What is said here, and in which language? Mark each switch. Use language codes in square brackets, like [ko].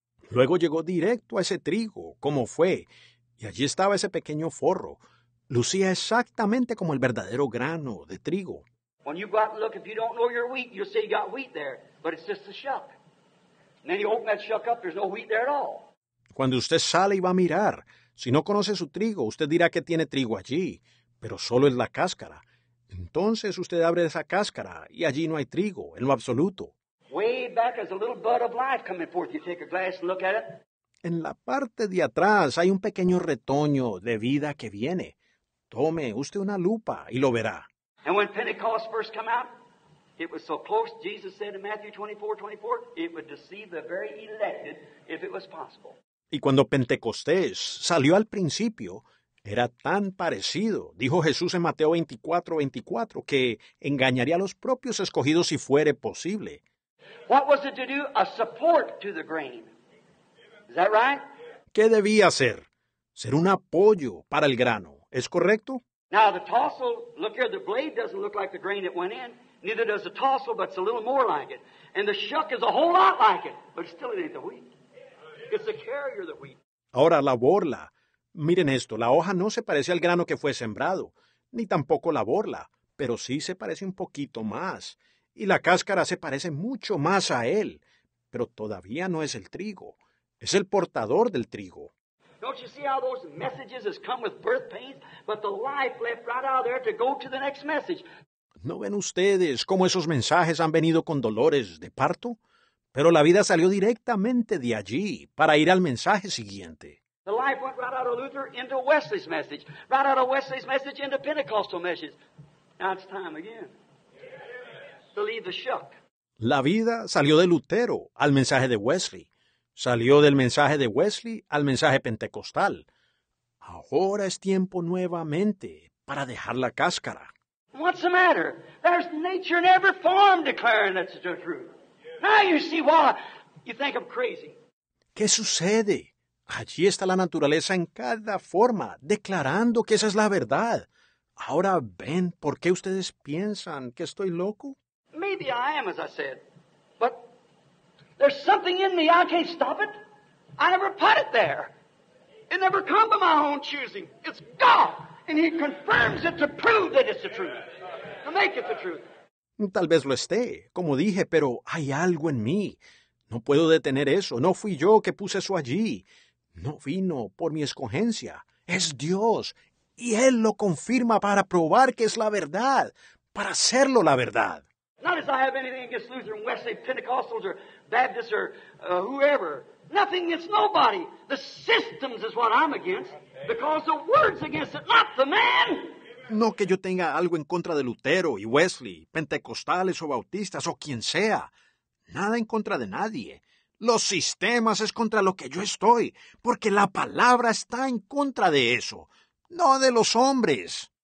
[es] Luego llegó directo a ese trigo, como fue, y allí estaba ese pequeño forro. Lucía exactamente como el verdadero grano de trigo. Cuando vas a ir a ver, si no conoces tu wheat, vas a decir que tienes wheat ahí, pero es solo el shuck. [en] And then you open that shuck up, there's no wheat there at all. [es] Cuando usted sale y va a mirar, si no conoce su trigo, usted dirá que tiene trigo allí, pero solo es la cáscara. Entonces usted abre esa cáscara y allí no hay trigo, en lo absoluto. [en] Way back is a little bud of life coming forth. You take a glass and look at it. [es] En la parte de atrás hay un pequeño retoño de vida que viene. Tome usted una lupa y lo verá. [en] And when Pentecost first came out, it was so close, Jesus said in Matthew 24:24, it would deceive the very elected if it was possible. [es] Y cuando Pentecostés salió al principio, era tan parecido, dijo Jesús en Mateo 24:24, que engañaría a los propios escogidos si fuere posible. [en] What was it to do? A support to the grain. Is that right? [es] ¿Qué debía hacer? Ser un apoyo para el grano. ¿Es correcto? [en] Now the tassel, look here, the blade doesn't look like the grain that went in. Neither does the tassel, but it's a little more like it. And the shuck is a whole lot like it, but still it ain't the wheat. It's the carrier of the wheat. [es] Ahora, la borla. Miren esto, la hoja no se parece al grano que fue sembrado, ni tampoco la borla, pero sí se parece un poquito más. Y la cáscara se parece mucho más a él, pero todavía no es el trigo. Es el portador del trigo. [en] Don't you see how those messages has come with birth pains, but the life left right out of there to go to the next message? [es] ¿No ven ustedes cómo esos mensajes han venido con dolores de parto? Pero la vida salió directamente de allí para ir al mensaje siguiente. [en] The life went right out of Luther into Wesley's message, right out of Wesley's message into Pentecostal message. Now it's time again to leave the shuck. [es] La vida salió de Lutero al mensaje de Wesley. Salió del mensaje de Wesley al mensaje pentecostal. Ahora es tiempo nuevamente para dejar la cáscara. [en] What's the matter? There's nature in every form declaring that's the truth. Now you see why you think I'm crazy. [es] ¿Qué sucede? Allí está la naturaleza en cada forma, declarando que esa es la verdad. Ahora ven por qué ustedes piensan que estoy loco. [en] Maybe I am, as I said. But there's something in me, I can't stop it. I never put it there. It never come by my own choosing. It's God. And he confirms it to prove that it's the truth. To make it the truth. [es] Tal vez lo esté, como dije, pero hay algo en mí. No puedo detener eso. No fui yo que puse eso allí. No vino por mi escogencia. Es Dios. Y él lo confirma para probar que es la verdad. Para hacerlo la verdad. [en] Not as I have anything against Lutheran, Wesley, Pentecostals, or Baptists, or whoever. Nothing against nobody. The systems is what I'm against. Because the word's against it, not the man. [es] No que yo tenga algo en contra de Lutero y Wesley, pentecostales o bautistas o quien sea. Nada en contra de nadie. Los sistemas es contra lo que yo estoy, porque la palabra está en contra de eso, no de los hombres.